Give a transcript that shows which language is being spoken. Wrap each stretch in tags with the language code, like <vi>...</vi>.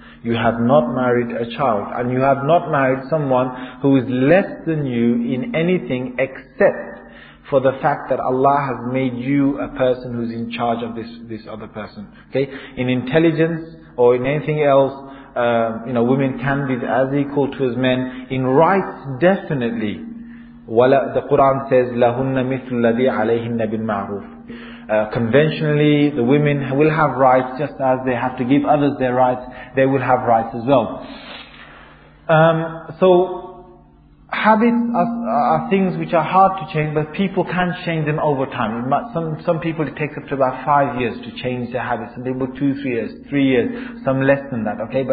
<en>You have not married a child, and you have not married someone who is less than you in anything except for the fact that Allah has made you a person who's in charge of this other person. Okay? In intelligence or in anything else, you know, women can be as equal to as men. In rights, definitely. The Quran says,</en> <ar>لَهُنَّ مِثْلُ الَّذِي عَلَيْهِنَّ بِالْمَعْرُوفِ.</ar> <en>Conventionally, the women will have rights, just as they have to give others their rights, they will have rights as well. So, habits are things which are hard to change, but people can change them over time. Some people, it takes up to about 5 years to change their habits. Some people 2, 3 years, 3 years, some less than that, okay?</en>